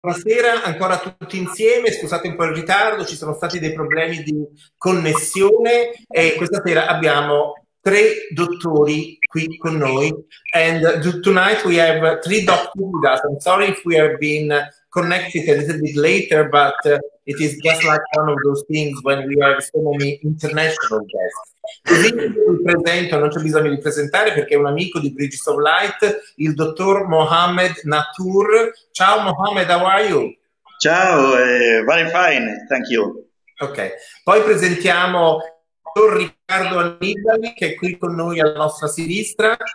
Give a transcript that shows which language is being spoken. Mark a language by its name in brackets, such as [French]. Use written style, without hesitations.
[Italian] Buonasera, ancora tutti insieme, scusate un po' il ritardo, ci sono stati dei problemi di connessione e questa sera abbiamo tre dottori qui con noi. [English] And tonight we have three doctors with us. I'm sorry if we have been connected a little bit later, but it is just like one of those things when we have so many international guests. [Italian] Così vi presento, non c'è bisogno di presentare perché è un amico di Bridges of Light, il dottor Mohammad Natour. [English] Ciao Mohammad, how are you? Ciao, very fine, thank you. [Italian] Ok, poi presentiamo Riccardo Annibali che è qui con noi alla nostra sinistra.